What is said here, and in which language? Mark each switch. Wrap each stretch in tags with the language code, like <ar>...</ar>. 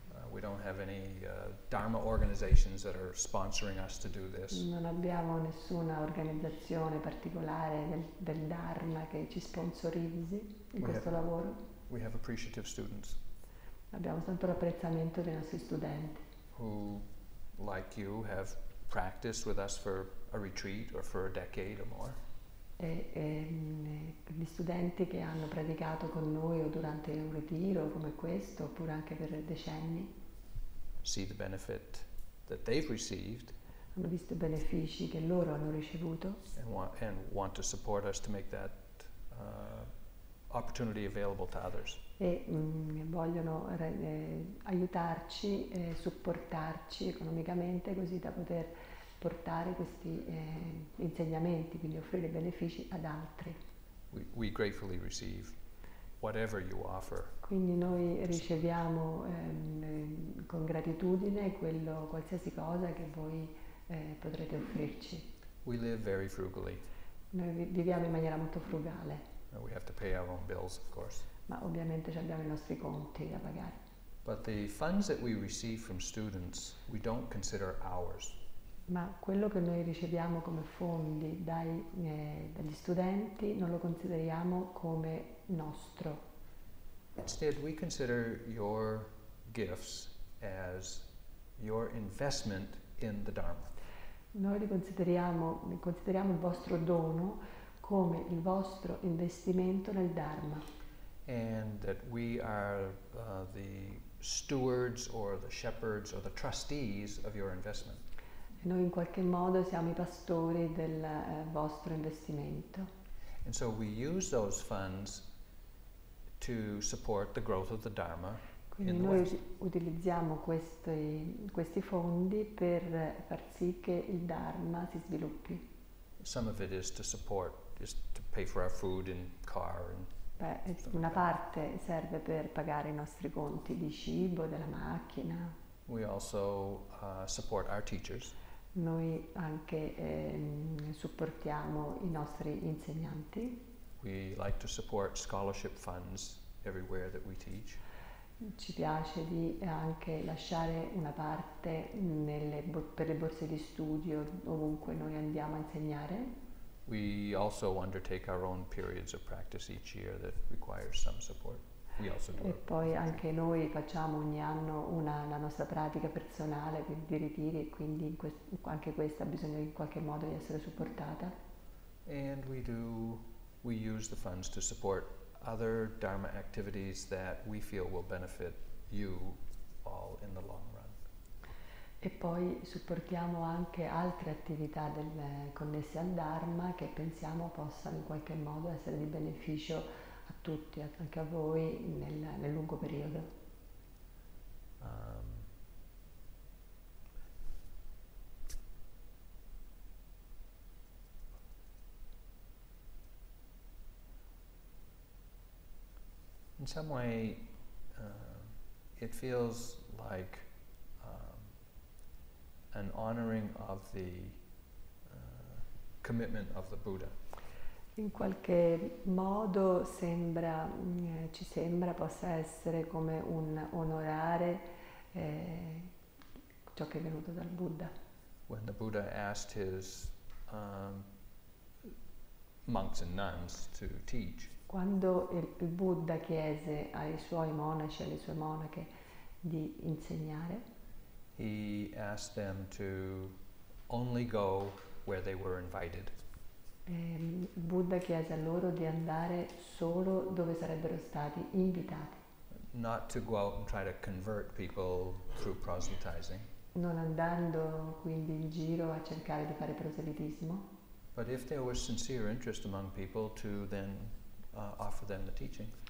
<en>We don't have any dharma organizations that are sponsoring us to do this.</en> <it>Non abbiamo nessuna organizzazione particolare del dharma che ci sponsorizzi in questo lavoro.</it> <en>We have appreciative students.</en> <it>Abbiamo tanto l'apprezzamento dei nostri studenti.</it> <en>Who, like you, have practiced with us for a retreat or for a decade or more.</en> <it>Gli studenti che hanno praticato con noi o durante un ritiro come questo oppure anche per decenni</it> <en>see the benefit that they've received,</en> <it>hanno visto i benefici che loro hanno ricevuto</it> <en>and want to support us to make that opportunity available to others</en> <it>e vogliono aiutarci e supportarci economicamente così da poter portare questi insegnamenti, quindi offrire benefici ad altri.</it> <en>We gratefully receive whatever you offer.</en> <it>Quindi noi riceviamo con gratitudine quello qualsiasi cosa che voi potrete offrirci.</it> <en>We live very frugally.</en> <it>Noi viviamo in maniera molto frugale.</it> <en>We have to pay our own bills, of course.</en> <it>Ma ovviamente ci abbiamo i nostri conti da pagare.</it> <en>But the funds that we receive from students, we don't consider ours.</en> <it>Ma quello che noi riceviamo come fondi dagli studenti non lo consideriamo come nostro.</it> <en>Instead, we consider your gifts as your investment in the Dharma.</en> <it>Noi consideriamo il vostro dono come il vostro investimento nel Dharma.</it> <en>And that we are the stewards or the shepherds or the trustees of your investment.</en> <it>Noi in qualche modo siamo i pastori del vostro investimento.</it> <en>And so we use those funds to support the growth of the Dharma.</en> <it>Quindi noi utilizziamo questi fondi per far sì che il Dharma si sviluppi.</it> <en>Some of it is to support, is to pay for our food and car and</en> <it>una parte serve per pagare i nostri conti di cibo, della macchina.</it> <en>We also support our teachers.</en> <it>Noi anche supportiamo i nostri insegnanti.</it> <en>We like to support scholarship funds everywhere that we teach.</en> <it>Ci piace di anche lasciare una parte per le borse di studio ovunque noi andiamo a insegnare.</it> <en>We also undertake our own periods of practice each year that requires some support. We also do</en> <it>e poi anche noi facciamo ogni anno la nostra pratica personale di ritiri e quindi anche questa ha bisogno in qualche modo di essere supportata.</it> <en>And we use the funds to support other Dharma activities that we feel will benefit you all in the long run.</en> <it>E poi supportiamo anche altre attività connesse al Dharma che pensiamo possano in qualche modo essere di beneficio a tutti, anche a voi, nel lungo periodo.</it> <en>In some way, it feels like an honoring of the commitment of the Buddha.</en> <it>In qualche modo ci sembra possa essere come un onorare ciò che è venuto dal Buddha.</it> <en>When the Buddha asked his monks and nuns to teach.</en> <it>Quando il Buddha chiese ai suoi monaci e alle sue monache di insegnare.</it> <en>He asked them to only go where they were invited.</en> <it>Buddha chiese a loro di andare solo dove sarebbero stati invitati.</it> <en>Not to go out and try to convert people through proselytizing.</en> <it>Non andando quindi in giro a cercare di fare proselitismo.</it> <en>But if there was sincere interest among people to then offer them the teaching.</en>